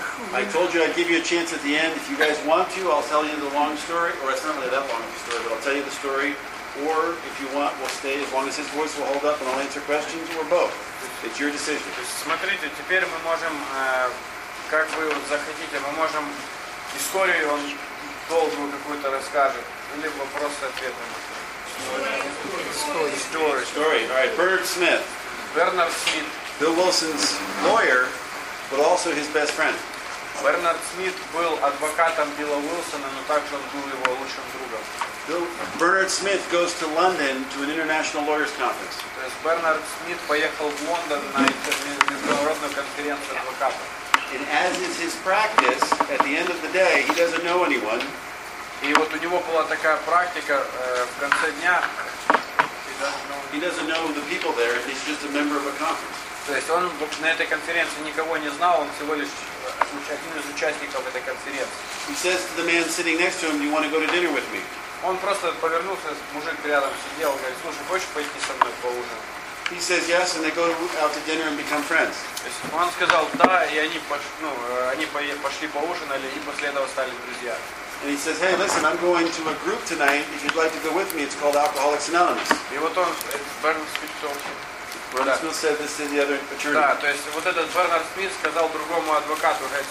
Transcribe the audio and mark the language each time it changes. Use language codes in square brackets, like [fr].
[en] I told you I'd give you a chance at the end. If you guys want to, I'll tell you the long story, or it's not really that long of a story, but I'll tell you the story. Or if you want, we'll stay as long as his voice will hold up, and I'll answer questions, or both. It's your decision. [ru] Смотрите, теперь мы можем, как вы захотите, мы можем историю он долгую какую-то расскажет, или вопрос-ответ. [en] Story. All right, Bernard Smith. Bill Wilson's lawyer. But also his best friend. [ru] Bernard Smith был адвокатом Билла Уилсона, но также он был его лучшим другом. [en] Bernard Smith goes to London to an international lawyers conference. [ru] То есть Bernard Smith поехал в Лондон на международную конференцию адвокатов. [en] And as is his practice, at the end of the day, he doesn't know anyone. [ru] И вот у него была такая практика в конце дня. [en] He doesn't know the people there. He's just a member of a conference. [ru] То есть он на этой конференции никого не знал, он всего лишь один из участников этой конференции. [en] He says to the man sitting next to him, "You want to go to dinner with me?" [ru] Он просто повернулся, мужик рядом сидел, говорит, слушай, хочешь пойти со мной поужинать? [en] He says yes, and they go out to dinner and become friends. [ru] То есть он сказал да, и они пошли поужинали, и после этого стали друзья. [en] And he says, "Hey, listen, I'm going to a group tonight. If you'd like to go with me, it's called Alcoholics Anonymous." [ru] И вот он, Бернард Смит, [en] Bernard Smith said this to the other attorney. [ru] Да, то есть вот этот Бернард Смит сказал другому адвокату,